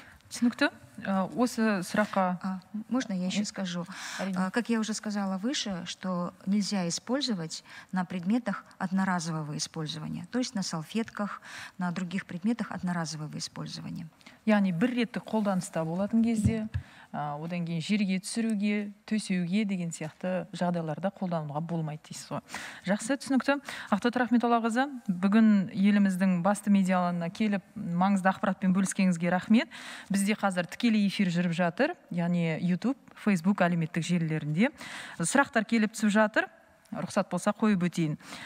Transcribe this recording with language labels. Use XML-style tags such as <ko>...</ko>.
<kk>Түсінікті. Осы сұраққа...</kk> <ru>Можно я еще скажу? Как я уже сказала выше, что нельзя использовать на предметах одноразового использования, то есть на салфетках, на других предметах одноразового использования.</ru> <kk>Яғни, бір ретті қолданыста болатын кезде, одан кейін жерге түсіруге, төсеуге деген сияқты жағдайларда қолдануға болмайды дейсіз ғой. Жақсы, түсінікті. Ақтот Рахметоллағызы, бүгін еліміздің басты медиаларына келіп, маңызды ақпаратпен бөліскеніңізге рахмет. Бізде қазір тікелей эфир жүріп жатыр, яғни YouTube, Facebook әлеуметтік желілерінде. Сұрақтар келіп түсіп жатыр, рұқсат болса қойып өтейін.</kk>